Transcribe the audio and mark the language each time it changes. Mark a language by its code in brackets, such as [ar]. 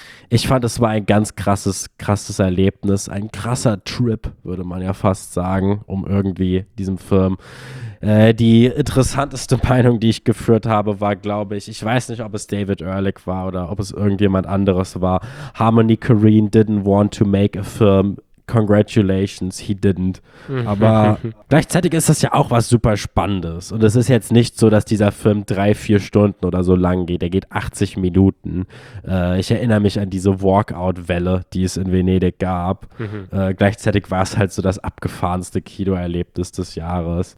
[de] Ich fand, es war ein ganz krasses Erlebnis, ein krasser Trip, würde man ja fast sagen, um irgendwie diesem Film. Die interessanteste Meinung, die ich geführt habe, war, glaube ich weiß nicht, ob es David Ehrlich war oder ob es irgendjemand anderes war. [en] Harmony Korine didn't want to make a film. Congratulations, he didn't. [de] Aber gleichzeitig ist das ja auch was super Spannendes. Und es ist jetzt nicht so, dass dieser Film 3-4 Stunden oder so lang geht. Er geht 80 Minuten. Ich erinnere mich an diese Walkout-Welle, die es in Venedig gab. Gleichzeitig war es halt so das abgefahrenste Kinoerlebnis des Jahres.